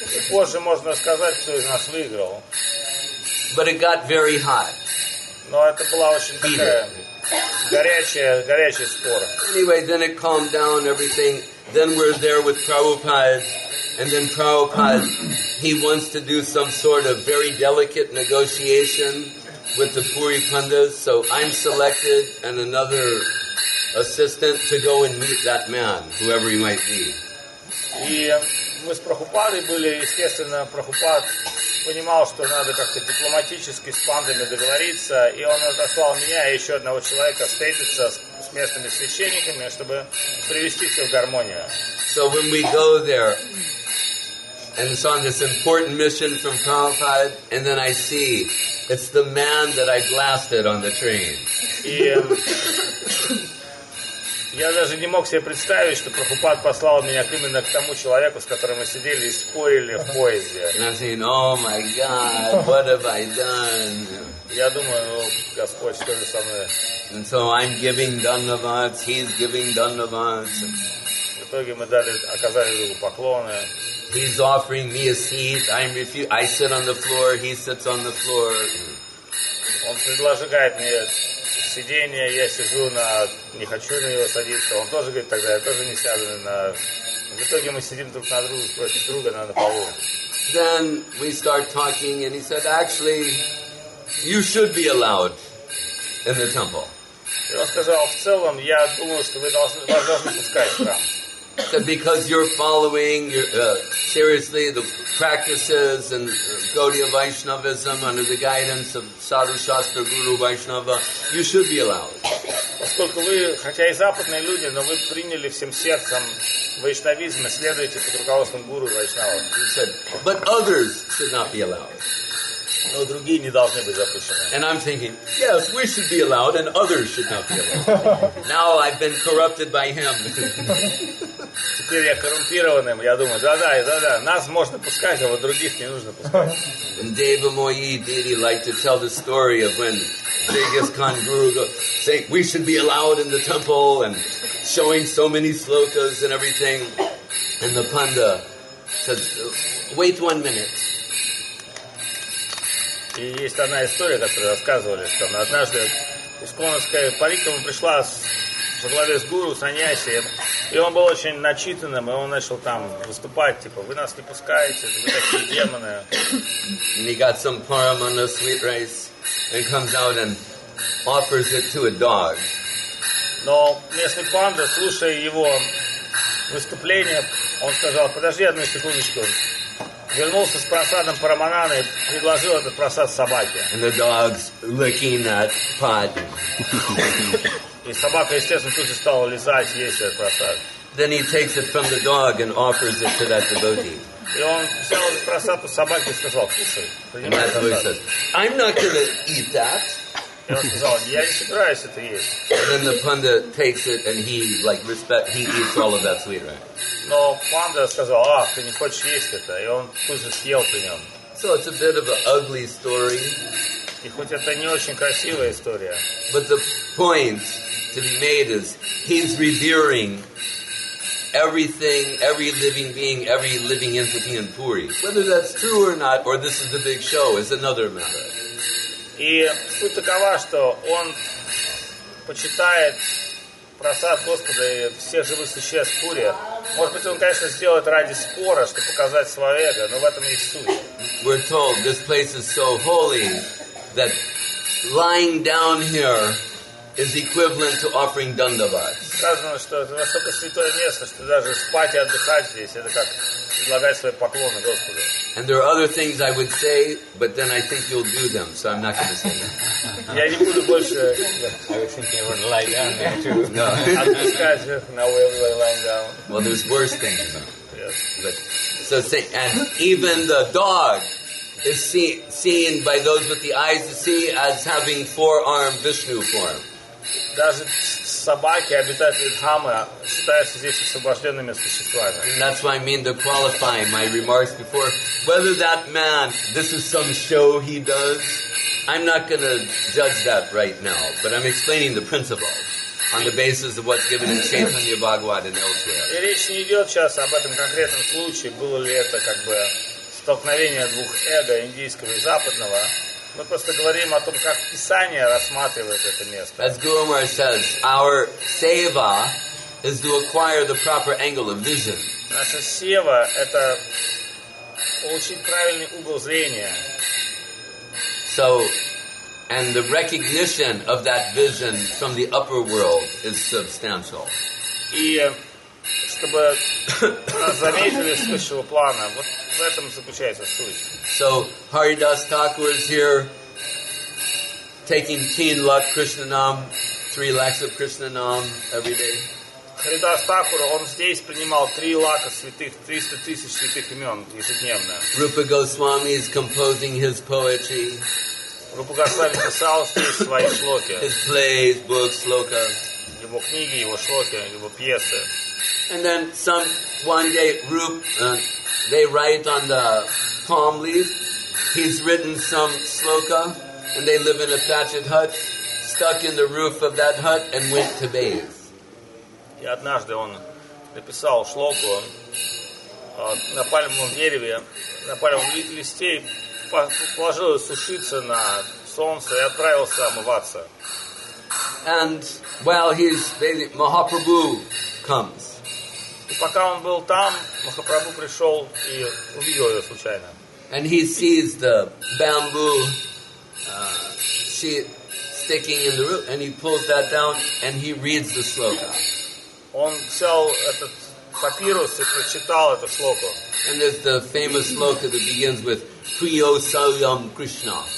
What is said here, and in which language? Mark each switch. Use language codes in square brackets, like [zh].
[ru] Позже можно сказать, кто из нас выиграл. [en] But it got very hot. [ru] Но это была очень такая горячая спора. [en] Anyway, then it calmed down, everything. Then we're there with Prabhupada. And then Prabhupada, he wants to do some sort of very delicate negotiation with the Puri Pandas. So I'm selected and another assistant to go and meet that man, whoever he might be. [ru] Мы с Прабхупадой были, естественно, Прабхупад понимал, что надо как-то дипломатически с пандами договориться, и он отослал меня и еще одного человека встретиться с местными священниками, чтобы привести все в гармонию. [en] So when we go there, and it's on this important mission from Prabhupada, and then I see it's the man that I blasted on the train. [ru] Я даже не мог себе представить, что Прабхупад послал меня именно к тому человеку, с которым мы сидели и спорили в поезде. [en] And I'm thinking, oh my God, what have I done? [ru] Я думаю, ну, Господь, что же со мной? [en] And so I'm giving dandavats, he's giving dandavats. [ru] В итоге мы дали, оказали друг другу поклоны. [en] He's offering me a seat, I'm I sit on the floor, he sits on the floor. [ru] Он предлагает мне сиденье, я сижу на... не хочу на него садиться. Он тоже говорит тогда, я тоже не сяду на... В итоге мы сидим друг на друга, против друга, на полу. [en] Then we start talking, and he said, actually, you should be allowed in the temple. [ru] И он сказал, в целом, я думаю, что вы должны, вас должны пускать в храм. [en] That because you're following seriously the practices and Gaudiya Vaishnavism under the guidance of Sadhu Shastra Guru Vaishnava, you should be allowed. [ru] Поскольку вы, хотя и западные люди, но вы приняли всем сердцем вайшнавизм и следуете под руководством Гуру Вайшнава. [en] He said, but others should not be allowed. [ru] Но другие не должны быть запрещены. [en] And I'm thinking, yes, we should be allowed, and others should not be allowed. Now I've been corrupted by him. [ru] Теперь я коррумпированным. Я думаю, да-да-да-да, нас можно пускать, а вот других не нужно пускать. [en] And Deva Moyi Didi liked to tell the story of when Genghis Khan Guru saying, we should be allowed in the temple, and showing so many slokas and everything. And the panda says, wait 1 minute. [ru] И есть одна история, которую рассказывали, что однажды Исконская Парикрама пришла во главе с гуру, саньяси, и он был очень начитанным, и он начал там выступать, типа, вы нас не пускаете, вы такие демоны. [en] And he got some parm on the sweet rice and comes out and offers it to a dog. [ru] Но местный панда, слушая его выступление, он сказал, подожди одну секундочку. Вернулся с просадом Парамананы и предложил этот просад собаке. [en] And the dog's licking that pot. [ru] И собака, естественно, тут же стала лизать, есть этот просад. [en] Then he takes it from the dog and offers it to that devotee. [ru] И он взял этот просад у собаки и сказал, кушай. [en] And that devotee says, I'm not gonna eat that. [ru] И он сказал, я не собираюсь это есть. [en] And then the panda takes it and he, like, respect, he eats all of that sweet rice. [ru] Но панда сказал, а, ты не хочешь есть это, и он тут же съел при нем. [en] So it's a bit of an ugly story. [ru] И хоть это не очень красивая история. [en] But the point to be made is, he's revering everything, every living entity in Puri. Whether that's true or not, or this is the big show, is another matter. [ru] И суть такова, что он почитает просад Господа и всех живых существ в Пури. Может быть, он, конечно, сделает ради спора, чтобы показать свое эго, но в этом есть суть. [en] We're told this place is so holy that lying down here is equivalent to offering dandavats. [ru] Сказано, что это настолько святое место, что даже спать и отдыхать здесь, это как предлагать свои поклоны Господу. [en] And there are other things I would say, but then I think you'll do them, so I'm not going to say that. [ru] Я не буду больше... [en] I was thinking I would lie down there too. [ru] Отдыхать, [en] now we will lie down. Well, there's worse things, though. Yes. But, so say, and even the dog is seen by those with the eyes to see as having four-armed Vishnu form. [ru] Даже собаки, обитатели Дхамы, считаются здесь освобожденными существами. [en] And that's why I mean to qualify my remarks before. Whether that man, this is some show he does, I'm not going to judge that right now. But I'm explaining the principle on the basis of what's given in Chaitanya Bhagavad and elsewhere. [ru] И речь не идет сейчас об этом конкретном случае, было ли это как бы столкновение двух эго, индийского и западного. Мы просто говорим о том, как Писание рассматривает это место. [en] As Guru Maharaj says, our seva is to acquire the proper angle of vision. [ru] Наша сева — это получить правильный угол зрения. [en] So, and the recognition of that vision from the upper world is substantial. [ru] И чтобы нас заметили с высшего плана, вот в этом заключается суть. [en] So, Haridas Thakur is here taking teen luck Krishnanam, 3 lakhs of Krishnanam every day. [ru] Haridas Thakur, он здесь принимал 3 lakhs святых, 300 тысяч святых имен ежедневно. [en] Rupa Goswami is composing his poetry. [ru] Rupa Goswami писал здесь свои шлоки. [en] His plays, books, slokas. [ru] его книги, его шлоки, его пьесы. [en] And then some one day Rup, they write on the palm leaf. He's written some sloka, and they live in a thatched hut, stuck in the roof of that hut, and went to bathe. [ru] И однажды он написал шлоку на пальмовом дереве, на пальмовом листе, положил сушиться на солнце и отправился омываться. [en] And while he's bathing, Mahaprabhu comes. [ru] И пока он был там, Махапрабху пришел и увидел его случайно. [en] And he sees the bamboo sheet sticking in the roof, and he pulls that down, and he reads the sloka. [ru] Он взял этот папирус и прочитал эту шлоку. [en] And there's the famous sloka that begins with Priyo Savyam Krishna.